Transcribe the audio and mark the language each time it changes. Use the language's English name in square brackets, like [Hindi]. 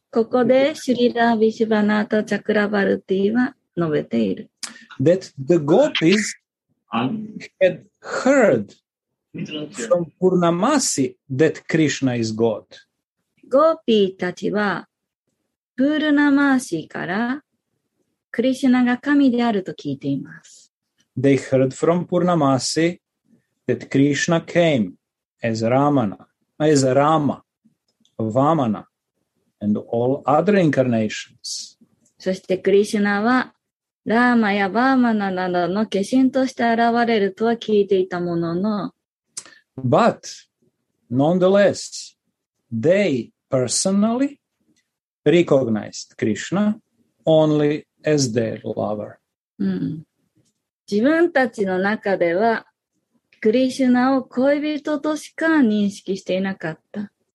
[Japanese] ここでシュリラ・ヴィシュヴァナータ・チャクラヴァルティは述べている。 [English] That the gopis had heard from Purnamasi that Krishna is God. [Japanese] ゴーピーたちはプールナマーシーからクリシュナが神であると聞いています。 [English] They heard from Purnamasi that Krishna came as Ramana, as Rama, Vamana, and all other incarnations. [Japanese] そしてクリシュナはラーマやバーマナなどの化身として現れるとは聞いていたものの。 [English] But, nonetheless, they personally recognized Krishna only as their lover. [Japanese] 自分たちの中ではクリシュナを恋人としか認識していなかった。